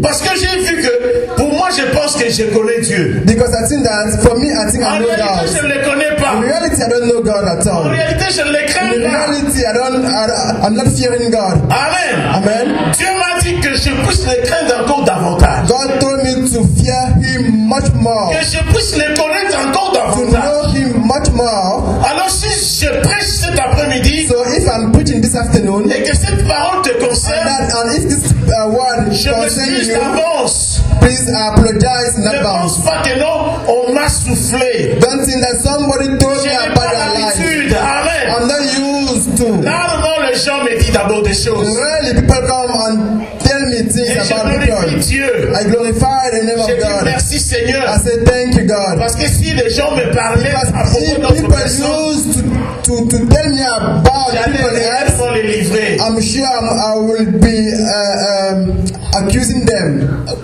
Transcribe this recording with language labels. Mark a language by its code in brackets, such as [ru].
[fr] Parce que j'ai vu que pour moi je pense que je connais Dieu. [en] Because I think that for me I think [fr] en [en] I know [fr] réalité, [en] God. [fr] Je ne le connais pas. [en] In reality I don't know God at all. [fr] En réalité je ne le crains pas. [en] In reality I'm not fearing God. Amen. Amen. [fr] Dieu m'a dit que je puisse le craindre encore davantage. [en] God told me to fear Him much more. [fr] Que je puisse le connaître encore davantage. [en] To know Him much more. [fr] Alors si je prêche cet après-midi. [en] So if I'm preaching this afternoon. [fr] Et que cette parole te concerne. [en] And if this one concerns you. [fr] Avance. [en] Please apologize in advance. [fr] Ne pense pas que non, on m'a soufflé. [en] Don't think that somebody told [fr] je [en] me about your life. Amen. I'm not used to. [fr] Normalement, les gens me disent d'abord des choses. [en] Really, people come and tell me things [fr] et [en] about God. [fr] Dieu. [en] I glorify the name [fr] je [en] of God. [fr] Merci, Seigneur. [en] I say thank you, God. [fr] Parce que si les gens me parlaient [en] because [fr] à propos d'autres [en] people [fr] personnes, [en] used to tell me about people else, I'm sure I will be accusing them.